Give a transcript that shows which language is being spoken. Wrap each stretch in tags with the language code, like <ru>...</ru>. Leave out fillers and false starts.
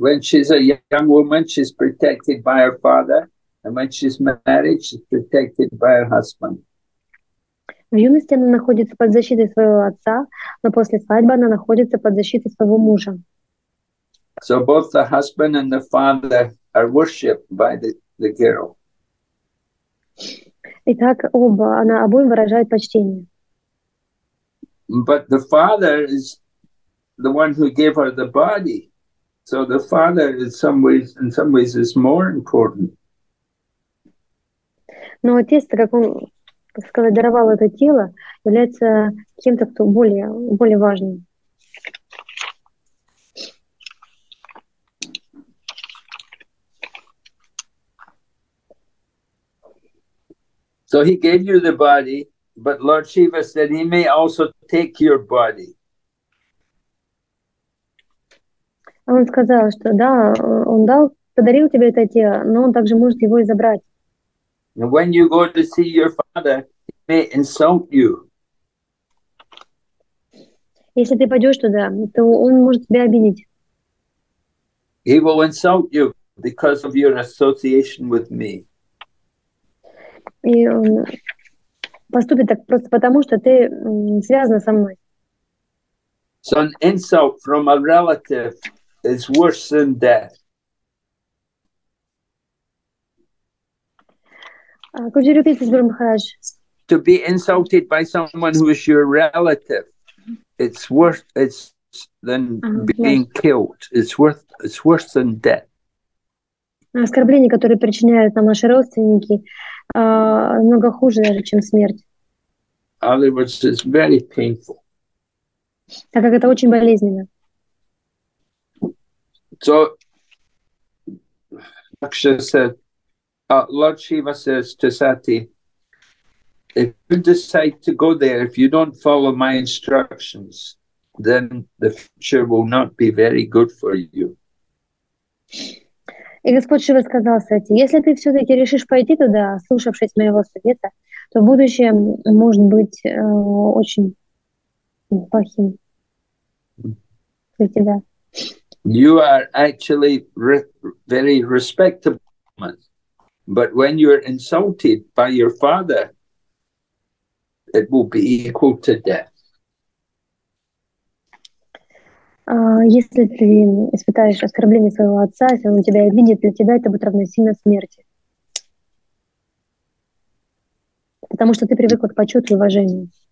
<en>When she's a young woman, she's protected by her father, and when she's married, she's protected by her husband.</en> <ru>В юности она находится под защитой своего отца, но после свадьбы она находится под защитой своего мужа.</ru> <en>So both the husband and the father are worshipped by the girl.</en> <ru>Итак, оба, она обоим выражает почтение.</ru> <en>But the father is the one who gave her the body. So the father is in some ways is more important.</en> <ru>Но отец, как он сказал, даровал это тело, является кем-то, кто более важным.</ru> <en>So he gave you the body, but Lord Shiva said he may also take your body.</en> <ru>Он сказал, что да, он дал, подарил тебе это тело, но он также может его и забрать.</ru> <en>When you go to see your father, he may insult you.</en> <ru>Если ты пойдешь туда, то он может тебя обидеть.</ru> <en>He will insult you because of your association with me.</en> <ru>И он поступит так просто потому, что ты связан со мной.</ru> <en>So an insult from a relative is worse than death. To be insulted by someone who is your relative, it's worse than being killed. It's worse than death.</en> <ru>Оскорбления, которые причиняют нам наши родственники, намного хуже даже, чем смерть. Так как это очень болезненно.</ru> <en>So, Lakshya said, Lord Shiva says to Sati, if you decide to go there, if you don't follow my instructions, then the future will not be very good for you.</en> <ru>И Господь Шива сказал Сати, если ты все-таки решишь пойти туда, слушавшись моего совета, то будущее может быть очень плохим для тебя.</ru> <en>You are actually very respectable, but when you are insulted by your father, it will be equal to death.</en> <ru>Если ты испытаешь оскорбление своего отца, если он тебя обидит, для тебя это будет равносильно смерти. Потому что ты привык к почету и уважению.</ru>